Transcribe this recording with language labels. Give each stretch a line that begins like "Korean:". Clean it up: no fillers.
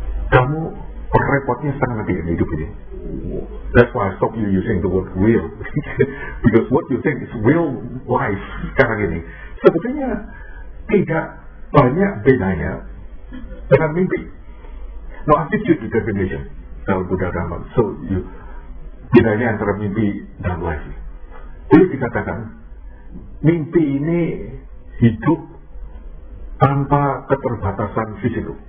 Indonesian: Kamu repotnya sangat lebih dalam hidup ini.
English: That's why I stop you using the word real. Because what you think is real life
Indonesian: sekarang ini. Sebetulnya tidak banyak bedanya dengan mimpi.
English: No attitude determination
Indonesian: dalam Buddha Dhamma. So, bedanya antara mimpi dan life. Boleh dikatakan, mimpi ini hidup tanpa keterbatasan fisik.